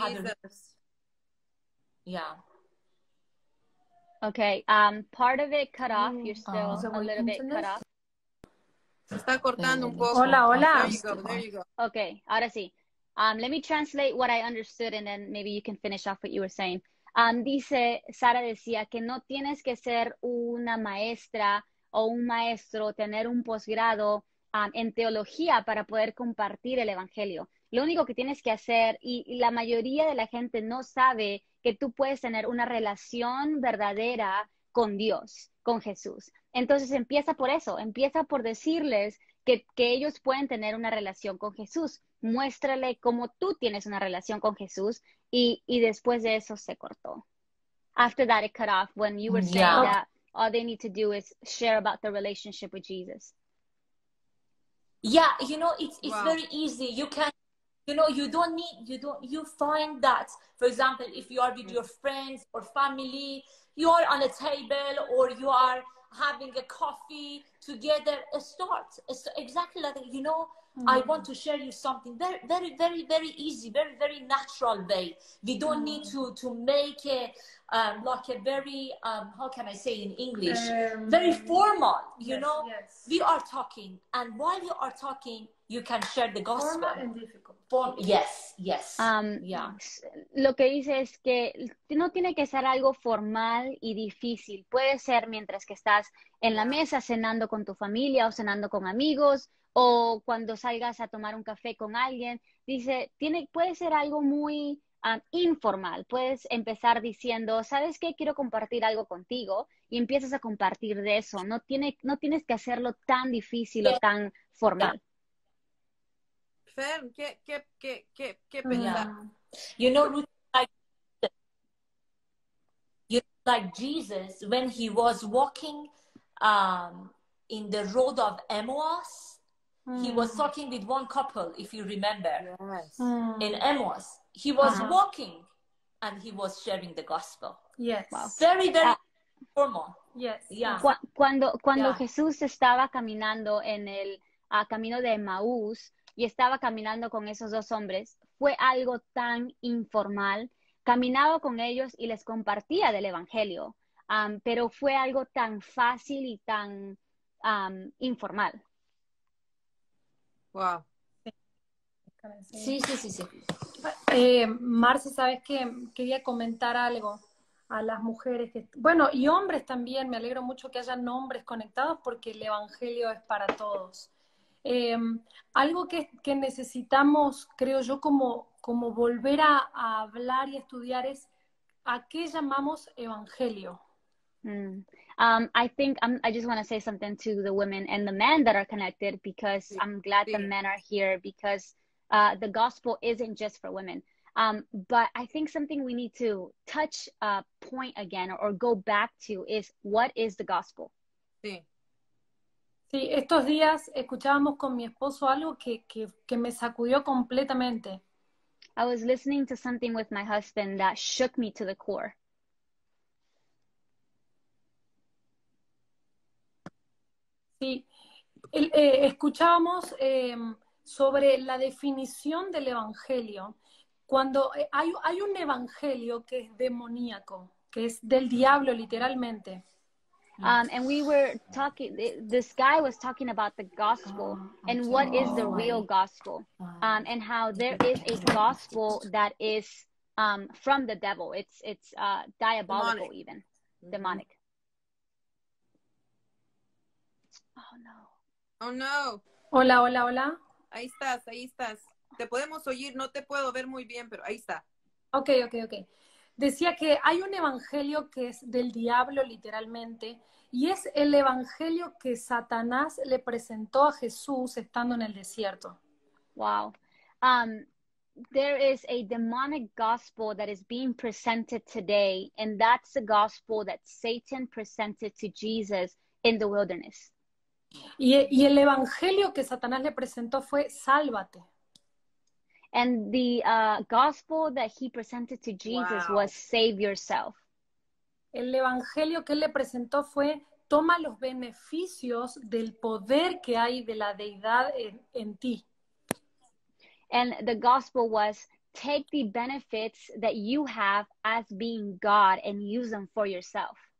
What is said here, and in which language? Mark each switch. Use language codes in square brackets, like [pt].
[en] to have a. Yeah. Okay. Part of it cut off. You're still a little bit cut off. [es] Se está cortando un poco. Hola, hola. [en] There you go. There you go. [es] Okay. Ahora sí. [en] Let me translate what I understood, and then maybe you can finish off what you were saying. [es] Dice, Sara decía que no tienes que ser una maestra o un maestro, tener un posgrado en teología para poder compartir el evangelio. Lo único que tienes que hacer, y la mayoría de la gente no sabe, que tú puedes tener una relación verdadera con Dios, con Jesús. Entonces empieza por eso, empieza por decirles que ellos pueden tener una relación con Jesús. Muéstrale cómo tú tienes una relación con Jesús, y después de eso se cortó. [en] After that, it cut off when you were saying that all they need to do is share about the relationship with Jesus. Yeah, you know, it's very easy. You can, you know, you don't need, you don't, you find that, for example, if you are with your friends or family, you are on a table or you are having a coffee together, start. It's exactly like, you know, I want to share you something. Very, very, very, very easy, very, very natural way. We don't need to make it like a very, how can I say in English? Very formal, you know? Yes. We are talking. And while you are talking, you can share the gospel. Formal and difficult. Yes, yes. Yeah. [es] Lo que dice es que no tiene que ser algo formal y difícil. Puede ser mientras que estás en la mesa cenando con tu familia o cenando con amigos, o cuando salgas a tomar un café con alguien. Dice, puede ser algo muy informal. Puedes empezar diciendo, ¿sabes qué? Quiero compartir algo contigo. Y empiezas a compartir de eso. No tienes que hacerlo tan difícil o tan formal. Fer, ¿qué pensar? [en] You know, like Jesus, when he was walking in the road of Emmaus, he was talking with one couple, if you remember, in Emmaus. He was walking, and he was sharing the gospel. Yes. Wow. Very, very formal. Yes. Yeah. [es] Cuando Jesús estaba caminando en el camino de Emmaus, y estaba caminando con esos dos hombres, fue algo tan informal. Caminaba con ellos y les compartía del evangelio, pero fue algo tan fácil y tan informal. [en] Wow. [es] Sí. Marce, ¿sabes qué? Quería comentar algo a las mujeres. Bueno, y hombres también. Me alegro mucho que hayan hombres conectados, porque el evangelio es para todos. Algo que necesitamos, creo yo, como volver a hablar y estudiar, es a qué llamamos evangelio. [en] I think I just want to say something to the women and the men that are connected, because I'm glad the men are here, because the gospel isn't just for women. But I think something we need to touch a point again or go back to is, what is the gospel? [es] Sí, estos días escuchábamos con mi esposo algo que me sacudió completamente. [en] I was listening to something with my husband that shook me to the core. [es] Sí, escuchábamos sobre la definición del evangelio. Cuando hay un evangelio que es demoníaco, que es del diablo literalmente. [en] And we were talking, this guy was talking about the gospel and what is the real gospel, and how there is a gospel that is from the devil. It's diabolical, demonic. Even. Demonic. Oh, no. Oh, no. [es] Hola, hola, hola. Ahí estás, ahí estás. Te podemos oír, no te puedo ver muy bien, pero ahí está. Ok. Decía que hay un evangelio que es del diablo, literalmente, y es el evangelio que Satanás le presentó a Jesús estando en el desierto. [en] Wow. There is a demonic gospel that is being presented today, and that's the gospel that Satan presented to Jesus in the wilderness. [es] Y el evangelio que Satanás le presentó fue, sálvate. [en] And the gospel that he presented to Jesus was save yourself. [es] El evangelio que él le presentó fue, toma los beneficios del poder que hay de la deidad en ti. [en] And the gospel was, take the benefits that you have as being God and use them for yourself.